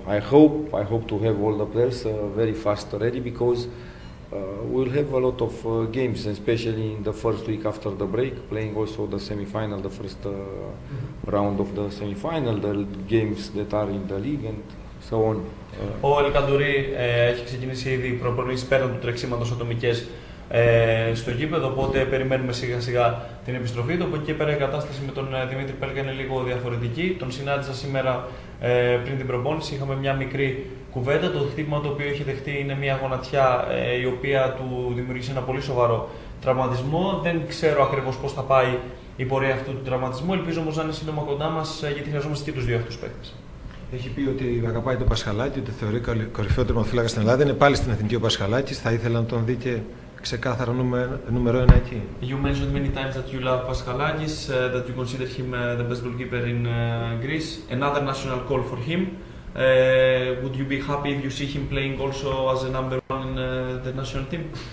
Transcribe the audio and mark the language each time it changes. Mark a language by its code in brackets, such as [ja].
[en] I hope to have all the players very fast ready, because we'll have a lot of games, especially in the first week after the break, playing also the semi-final, the first round of the semi-final, the games that are in the league and so on. [el] Ο Ελκαντουρί έχει ξεκινήσει ήδη προπονήσεις πέραν του τρεξίματος ατομικές στο γήπεδο, οπότε περιμένουμε σιγά σιγά την επιστροφή του. Από εκεί πέρα η κατάσταση με τον Δημήτρη Πέλκα είναι λίγο διαφορετική. Τον συνάντησα σήμερα πριν την προπόνηση, είχαμε μια μικρή κουβέντα. Το χτύπημα το οποίο έχει δεχτεί είναι μια γονατιά η οποία του δημιουργήσε ένα πολύ σοβαρό τραυματισμό. Δεν ξέρω ακριβώς πώς θα πάει η πορεία αυτού του τραυματισμού. Ελπίζω όμως να είναι σύντομα κοντά μας, γιατί χρειαζόμαστε και τους δύο αυτούς παίκτες. Έχει πει ότι αγαπάει τον Πασχαλάκη, ότι θεωρεί κορυφαίο τερματοφύλακα στην Ελλάδα. Είναι πάλι στην Εθνική ο Πασχαλάκης. Θα ήθελα να τον δει και ξεκάθαρα νούμερο ένα εκεί. [en] You mentioned many times that you love Pasqualakis, that you consider him the best goalkeeper in Greece. Another national call for him. Would you be happy if you see him playing also as a number one in the national team?